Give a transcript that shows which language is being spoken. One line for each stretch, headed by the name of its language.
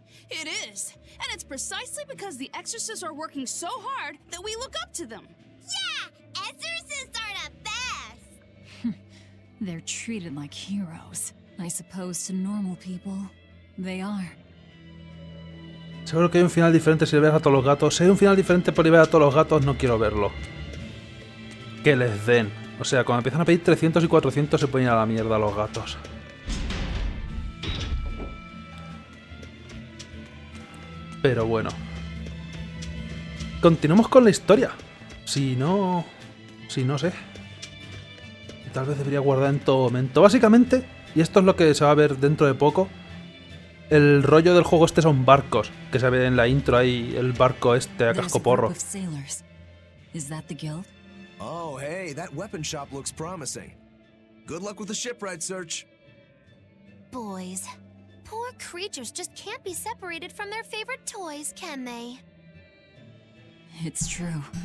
English: It is, and it's precisely because the exorcists are working so hard that we look up to them. Yeah, exorcists are the best. They're treated like heroes, I suppose, to normal people. They are.
Spanish: Seguro que hay un final diferente si le ves a todos los gatos. Si hay un final diferente por ver a todos los gatos, no quiero verlo. Que les den. O sea, cuando empiezan a pedir 300 y 400 se ponen a la mierda a los gatos. Pero bueno. Continuamos con la historia. Si no sé. Tal vez debería guardar en todo momento. Básicamente, y esto es lo que se va a ver dentro de poco. El rollo del juego este son barcos, que se ve en la intro ahí el barco este a casco porro.
English: Is that the guild? Oh, hey, that weapon shop looks promising. Good luck with the shipwright search. boys. Poor creatures just can't be separated from their favorite toys, can they? It's true.